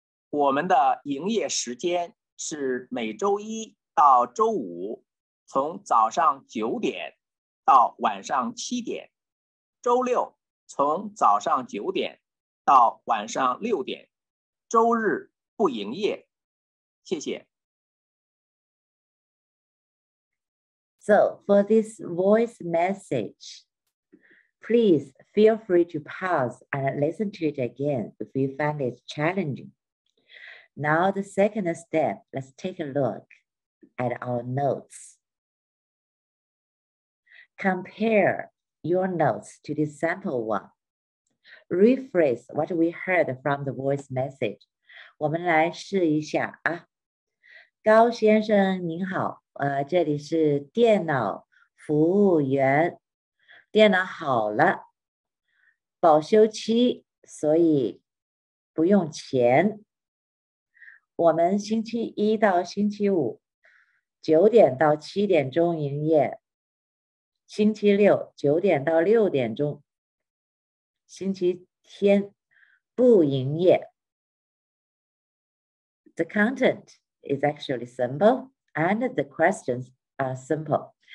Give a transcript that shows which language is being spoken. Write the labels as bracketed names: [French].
[Chinese] 我们的营业时间是每周一到周五，从早上9点到晚上7点，周六从早上9点到晚上6点，周日不营业。谢谢。 [English] So, for this voice message, please feel free to pause and listen to it again if you find it challenging. Now, the second step, let's take a look at our notes. Compare your notes to the sample one. Rephrase what we heard from the voice message. [Chinese] 我们来试一下啊。高先生您好，这里是电脑服务员，电脑好了，保修期，所以不用钱。我们星期一到星期五，9点到7点钟营业，星期六9点到6点钟，星期天不营业。 [English] The content. It's actually simple, and the questions are simple.